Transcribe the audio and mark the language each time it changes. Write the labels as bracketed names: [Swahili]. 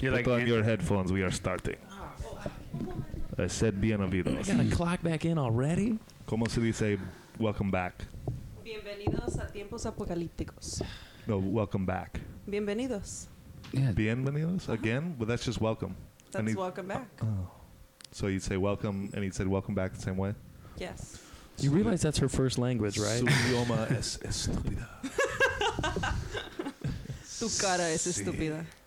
[English] You're put like on your headphones. We are starting. I said [Spanish] bienvenidos. [English] You got a clock back in already? [Spanish] ¿Cómo se dice [English] welcome back? [Spanish] Bienvenidos a tiempos apocalípticos. [English] No, welcome back. [Spanish] Bienvenidos. [English] Yeah. [Spanish] Bienvenidos [English] again? Well, that's just welcome. That's welcome back. So you'd say welcome, and he said welcome back the same way? Yes. You realize that's her first language, right? [Spanish] Su idioma es estúpida. Tu cara es estúpida.